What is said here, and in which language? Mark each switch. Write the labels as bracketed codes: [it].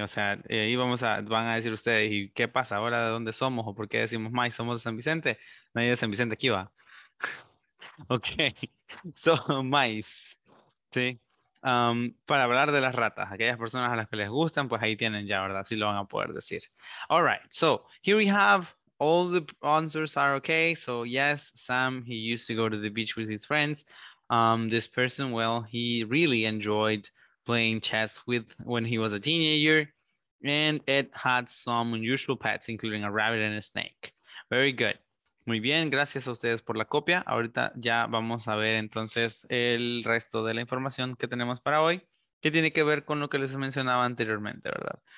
[es] O sea, ahí van a decir ustedes, ¿y qué pasa ahora? ¿De dónde somos? ¿O por qué decimos mice? ¿Somos de San Vicente? Nadie de San Vicente aquí va. Ok. [en] So, mice. ¿Sí? [es] Para hablar de las ratas, aquellas personas a las que les gustan, pues ahí tienen ya, ¿verdad? Sí lo van a poder decir. [en] All right. So, here we have all the answers are okay. So yes, Sam, he used to go to the beach with his friends. This person, well, he really enjoyed playing chess when he was a teenager. And it had some unusual pets, including a rabbit and a snake. Very good. [es] Muy bien, gracias a ustedes por la copia. Ahorita ya vamos a ver entonces el resto de la información que tenemos para hoy, que tiene que ver con lo que les mencionaba anteriormente, ¿verdad?